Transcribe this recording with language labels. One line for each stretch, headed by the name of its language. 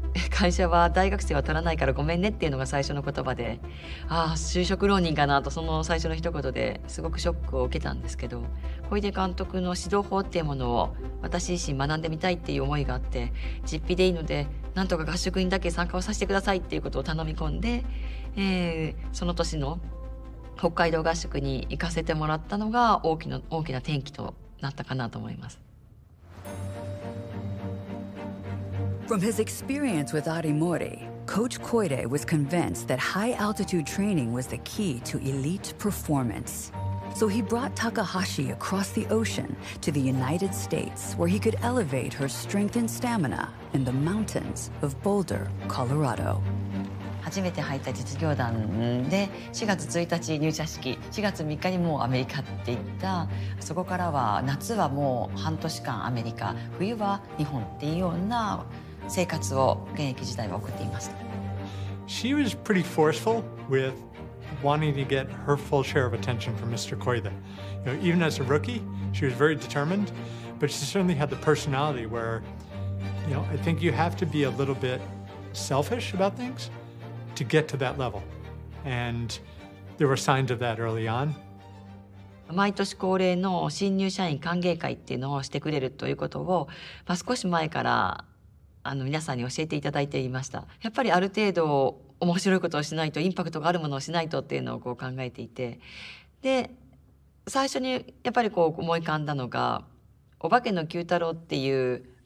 Japanese: 会社は大学生は取らないからごめんねっていうのが最初の言葉で、ああ就職浪人かなと、その最初の一言ですごくショックを受けたんですけど、小出監督の指導法っていうものを私自身学んでみたいっていう思いがあって、実費でいいのでなんとか合宿にだけ参加をさせてくださいっていうことを頼み込んで、その年の北海道合宿に行かせてもらったのが大きな転機となったかなと思います。
English: From his experience with Arimori, Coach Koide was convinced that high altitude training was the key to elite performance. So he brought Takahashi across the ocean to the United States, where he could elevate her strength and stamina in the mountains of Boulder, Colorado.
Japanese: 初めて入った実業団で、4月1日入社式、4月3日にもうアメリカって行った。そこからは夏はもう半年間アメリカ、冬は日本っていうような生活を現役時代は送っていました。
English: She was pretty forceful with wanting to get her full share of attention from Mr. Koide. You know, even as a rookie, she was very determined, but she certainly had the personality where, you know, I think you have to be a little bit selfish about things. To get to that level. And there were signs of that early on.
Japanese: 毎年恒例の新入社員歓迎会っていうのをしてくれるということを、まあ、少し前から皆さんに教えていただいていました。やっぱりある程度面白いことをしないと、インパクトがあるものをしないとっていうのをこう考えていて、で最初にやっぱりこう思い浮かんだのが、お化けの九太郎っていう。